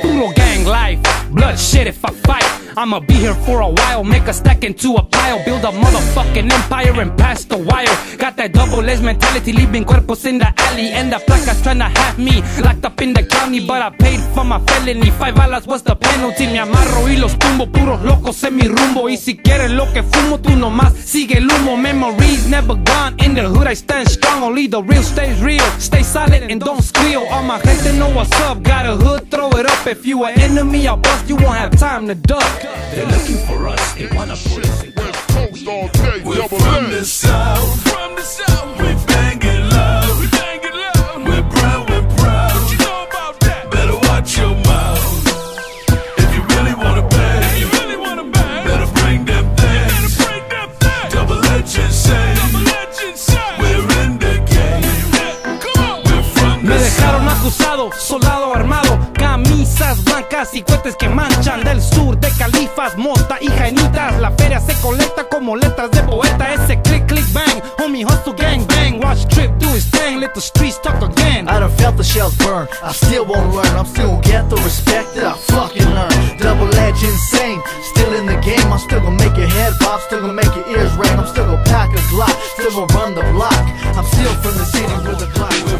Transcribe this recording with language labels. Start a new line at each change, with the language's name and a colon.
English: Puro gang life, bloodshed if I fight. I'ma be here for a while, make a stack into a pile. Build a motherfucking empire and pass the wire. Got that double edge mentality, leaving cuerpos in the alley. And the placas tryna have me locked up in the county. But I paid for my felony, 5 balas was the penalty.
Spanish: Me amarro y los tumbo, puros locos en mi rumbo. Y si quieres lo que fumo, tú nomás sigue el humo.
English: Memories never gone, in the hood I stand strong. Only the real stays real, stay solid and don't squeal. All my gente know what's up, got a hood, throw it up. If you an enemy, I'll bust, you won't have time to duck. They're looking for us, they wanna put us in West Coast all day. We're from the south. From the south. We bang it loud. We bang it loud. We're proud, we're proud. What you know about that? Better watch your mouth. If you really wanna bang, if you really wanna bang, better bring them things. Better bring them things. Double legend say. Double legend say. We're in the game. Yeah, come on. We're from the south.
Spanish: Me dejaron acusado, soldado armado. Camisas blancas y cohetes que manchan del sur de califas, mota y jainitas. La feria se colecta como letras de poeta. Ese
English: click click bang, homie hustle gang bang. Watch trip do his thing, let the streets talk again. I done felt the shells burn, I still won't learn. I'm still gonna get the respect that I fucking earn. Double edge insane, still in the game. I'm still gonna make your head pop, still gonna make your ears ring. I'm still gonna pack a Glock, still gonna run the block. I'm still from the city with the clock.